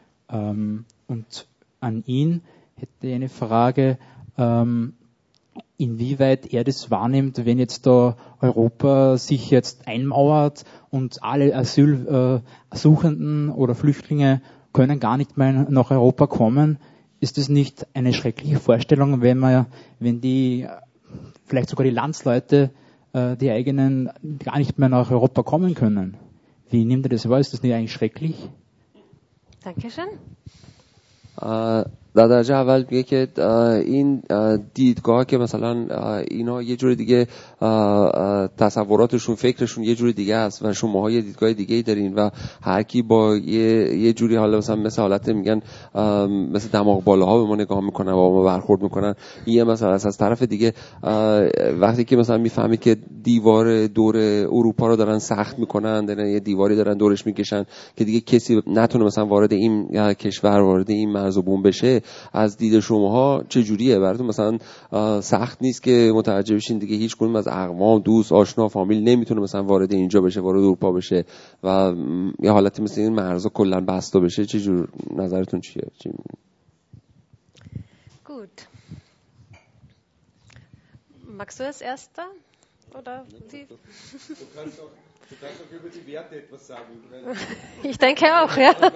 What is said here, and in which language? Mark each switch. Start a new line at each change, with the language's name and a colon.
German: Und an ihn hätte ich eine Frage, inwieweit er das wahrnimmt, wenn jetzt da Europa sich jetzt einmauert und alle Asylsuchenden oder Flüchtlinge können gar nicht mehr nach Europa kommen. Ist das nicht eine schreckliche Vorstellung, wenn die vielleicht sogar die Landsleute die eigenen gar nicht mehr nach Europa kommen können. Wie nimmt ihr das wahr? Ist das nicht eigentlich schrecklich? Dankeschön.
Persian: داداش اول میگه که این دیدگاه که مثلا اینا یه جور دیگه تصوراتشون فکرشون یه جور دیگه است و شما ها یه دیدگاه دیگه دارین و هرکی با یه جوری حالا مثلا حالت میگن مثلا دماغ بالاها به ما نگاه میکنن و با ما برخورد میکنن این مثلا از طرف دیگه وقتی که مثلا میفهمی که دیوار دور اروپا رو دارن سخت میکنن دارن یه دیواری دارن دورش میکشن که دیگه کسی نتونه مثلا وارد این کشور وارد این مرز و بوم بشه از دید شماها چه جوریه براتون مثلا سخت نیست که متوجه بشین دیگه هیچ کدوم از اقوام دوست آشنا فامیل نمیتونه مثلا وارد اینجا بشه وارد اروپا بشه و یه حالتی مثل این مرزا کلا بسته بشه چه جور نظرتون چیه گود ماکس اس ارستا
German: oder die Ich denke auch, ja.